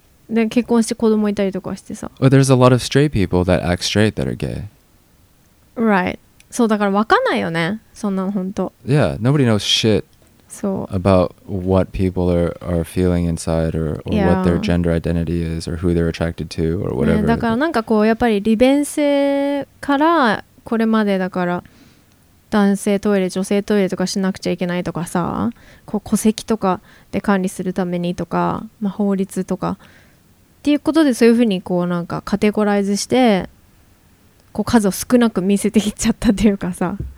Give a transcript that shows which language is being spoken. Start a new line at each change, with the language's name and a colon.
Japanese: で、結婚して子供いたりとかしてさ。
English: Well, there's a lot of straight people that act straight that are gay. Right.
Japanese: そうだからわかんないよね。そんな本当。
English: Yeah, nobody knows shit. So, about what people are feeling inside or what their gender identity is or who they're attracted to or whatever.
Japanese: だからなんかこうやっぱり利便性からこれまでだから男性トイレ女性トイレとかしなくちゃいけないとかさ、こう戸籍とかで管理するためにとか、まあ、法律とかっていうことでそういうふうにこうなんかカテゴライズしてこう数を少なく見せてきちゃったっていうかさ、